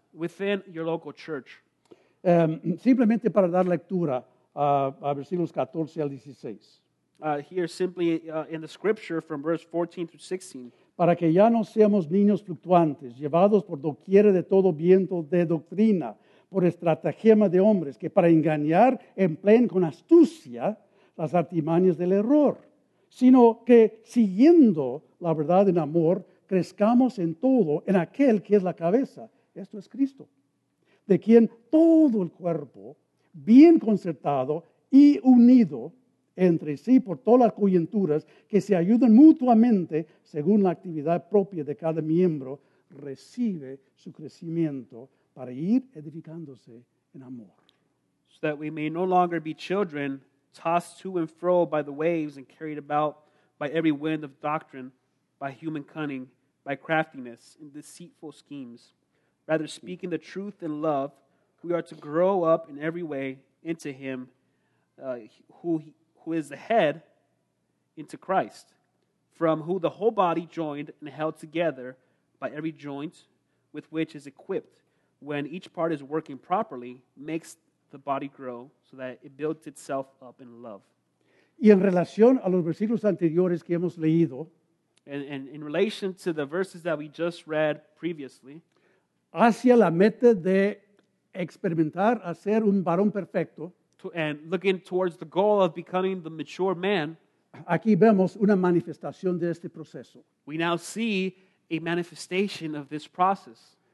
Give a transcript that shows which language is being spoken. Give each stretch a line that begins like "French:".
English: Within your local church.
Spanish: Simplemente para dar lectura a versículos 14 al 16.
English: Here simply in the scripture from verse 14 through 16.
Spanish: Para que ya no seamos niños fluctuantes, llevados por doquiera de todo viento de doctrina, por estratagema de hombres, que para engañar empleen con astucia las artimañas del error, sino que siguiendo la verdad en amor, crezcamos en todo, en aquel que es la cabeza. Esto es Cristo, de quien todo el cuerpo, bien concertado y unido, entre sí por todas las coyunturas que se ayudan mutuamente según la actividad propia de cada miembro, recibe su crecimiento para ir edificándose en amor.
English: So that we may no longer be children tossed to and fro by the waves and carried about by every wind of doctrine, by human cunning, by craftiness, and deceitful schemes. Rather, speaking the truth in love, we are to grow up in every way into him who is the head, into Christ, from who the whole body joined and held together by every joint with which is equipped, when each part is working properly, makes the body grow so that it builds itself up in love.
Spanish: Y en relación a los versículos anteriores que hemos leído,
English: and in relation to the verses that we just read previously,
Spanish: hacia la meta de experimentar a ser un varón perfecto,
English: and looking towards the goal of becoming the mature man,
Spanish: aquí vemos una manifestación de este proceso.
English: We now see a manifestation of this process.